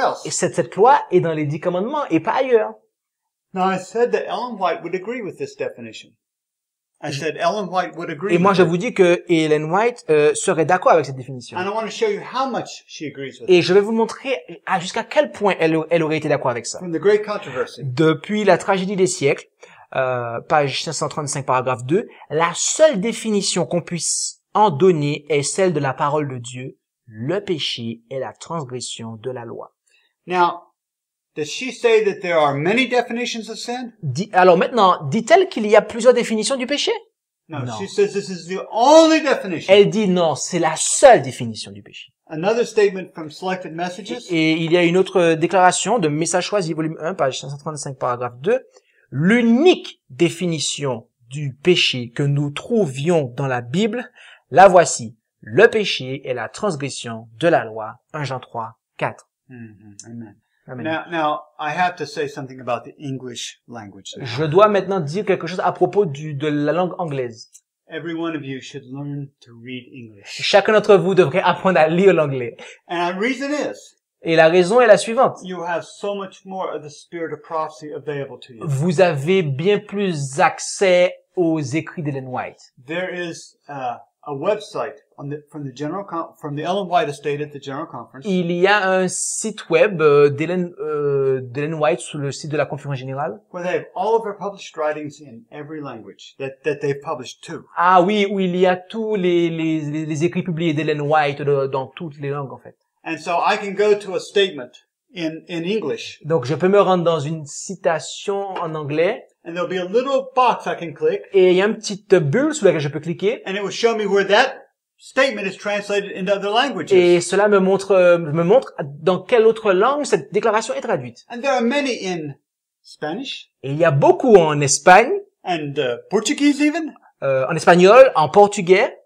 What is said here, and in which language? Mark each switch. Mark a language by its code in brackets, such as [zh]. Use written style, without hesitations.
[fr] Cette loi est dans les 10 commandements et pas ailleurs. [en] Now I said that Ellen White would agree with this definition. I said Ellen White would agree. [fr] Et moi, je vous dis que Ellen White serait d'accord avec cette définition. [en] And I want to show you how much she agrees with. [fr] Et je vais vous montrer jusqu'à quel point elle aurait été d'accord avec ça. [en] From the great controversy. [fr] Depuis la tragédie des siècles, page 535, paragraphe 2, la seule définition qu'on puisse en donner est celle de la parole de Dieu. Le péché est la transgression de la loi. [en] Now, does she say that there are many definitions of sin? [fr] Alors maintenant, dit-elle qu'il y a plusieurs définitions du péché? [en] No, non. She says this is the only definition. [fr] Elle dit non, c'est la seule définition du péché. [en] Another statement from Selected Messages. [fr] Et il y a une autre déclaration de Message choisi, volume 1, page 535, paragraphe 2. L'unique définition du péché que nous trouvions dans la Bible, la voici. Le péché est la transgression de la loi. 1 Jean 3, 4. Mm-hmm. Amen. [en] Now I have to say something about the English language. [fr] Je dois maintenant dire quelque chose à propos de la langue anglaise. [en] Every one of you should learn to read English. [fr] Chacun d'entre vous devrait apprendre à lire l'anglais. [en] And the reason is. [fr] Et la raison est la suivante. [en] You have so much more of the spirit of prophecy available to you. [fr] Vous avez bien plus accès aux écrits d'Ellen White. [en] There is a website from the Ellen White Estate at the General Conference. [fr] Il y a un site web d'Ellen White sur le site de la Conférence Générale. [en] Where they have all of her published writings in every language that they've published too. [fr] Ah oui, où il y a tous les écrits publiés d'Ellen White dans toutes les langues en fait. [en] And so I can go to a statement in English. [fr] Donc je peux me rendre dans une citation en anglais. [en] And there'll be a little box I can click. [fr] Et il y a une petite bulle sur laquelle je peux cliquer. [en] And it will show me where that statement is translated into other languages. [fr] Et cela me montre dans quelle autre langue cette déclaration est traduite. [en] And there are many in Spanish. [fr] Et il y a beaucoup en Espagne. [en] And Portuguese even. [fr] En espagnol, en portugais.